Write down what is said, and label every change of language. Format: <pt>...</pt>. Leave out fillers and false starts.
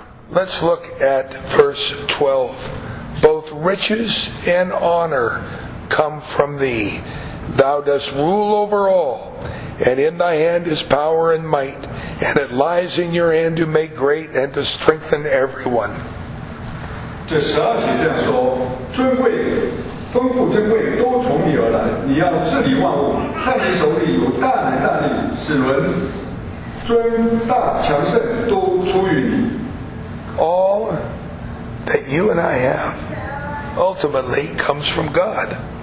<en>Let's look at verse 12. Both riches and honor come from thee. Thou dost rule over all, and in thy hand is power and might, and it lies in your hand to make great and to strengthen everyone.</en> <zh>这十二节这样说，尊贵、丰富、珍贵都从你而来，你要治理万物，在你手里有大能大力，使人尊大强盛都出于你。</zh> <en>All that you and I have ultimately comes from God.</en>